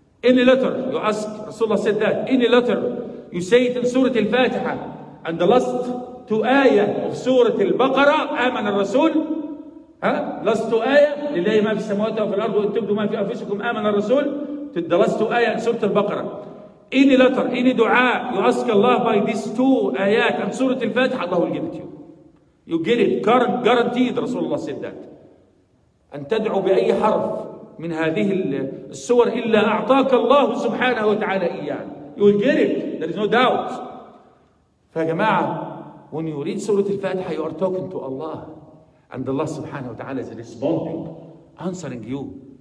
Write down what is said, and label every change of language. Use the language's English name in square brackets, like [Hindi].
[English] Any letter you ask, Rasulullah said that, any letter you say it in Surah Al-Fatiha, and the last two ayah of Surah Al-Baqarah, Aman al-Rasul, last two ayah, [Arabic] Lillahi ma fi samawati wa fi al-ardu, intubdu ma fi anfusikum, [English] Aman al-Rasul, the last two ayah in Surah Al-Baqarah. Any letter, any dua you ask Allah by these two ayat and Surah Al-Fatiha, Allah will give it to you. You get it, guaranteed, Rasulullah said that. [Arabic] أن تدعو بأي حرف من هذه السور إلا أعطاك الله سبحانه وتعالى إياه. [English] You will get it, there is no doubt. [Arabic] فجماعة, [English] when you read Surah Al-Fatiha, you are talking to Allah. And Allah subhanahu wa ta'ala is responding, answering you.